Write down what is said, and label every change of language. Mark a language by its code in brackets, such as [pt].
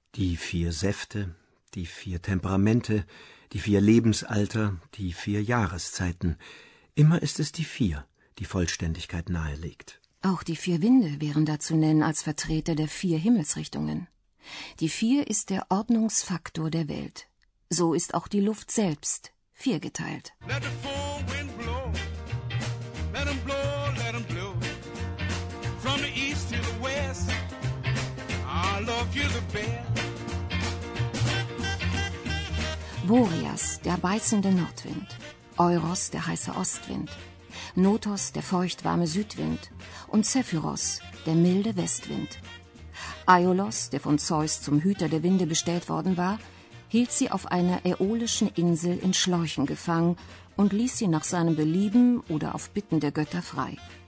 [de] Die vier Säfte, die vier Temperamente, die vier Lebensalter, die vier Jahreszeiten. Immer ist es die vier, die Vollständigkeit nahelegt. Auch die vier Winde wären da zu nennen als Vertreter der vier Himmelsrichtungen. Die vier ist der Ordnungsfaktor der Welt. So ist auch die Luft selbst viergeteilt. [en] Let the four wind blow, let them blow, let them blow. From the east to the west, I love you the best. [de] Boreas, der beißende Nordwind, Euros, der heiße Ostwind, Notos, der feuchtwarme Südwind und Zephyros, der milde Westwind. Aiolos, der von Zeus zum Hüter der Winde bestellt worden war, hielt sie auf einer äolischen Insel in Schläuchen gefangen und ließ sie nach seinem Belieben oder auf Bitten der Götter frei.